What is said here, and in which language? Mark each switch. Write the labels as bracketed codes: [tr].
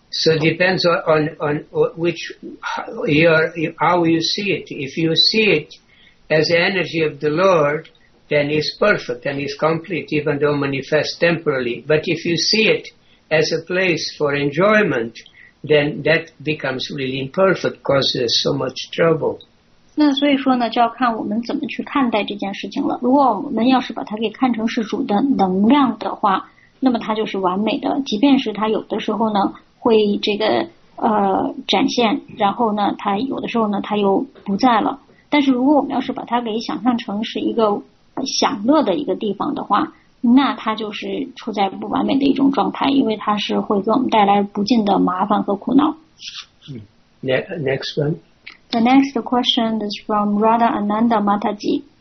[en] So it depends on which how you see it. If you see it as the energy of the Lord, then it's perfect and it's complete, even though manifest temporarily. But if you see it as a place for enjoyment, then that becomes really imperfect, causes so much trouble. [zh] 那所以说呢，就要看我们怎么去看待这件事情了。如果我们要是把它给看成是主的能量的话，那么它就是完美的。即便是它有的时候呢。会这个展现，然后呢，它有的时候呢，它又不在了。但是如果我们要是把它给想象成是一个享乐的一个地方的话，那它就是处在不完美的一种状态，因为它是会给我们带来不尽的麻烦和苦恼。 [en] Next one. The next question is from Radha Ananda Mataji.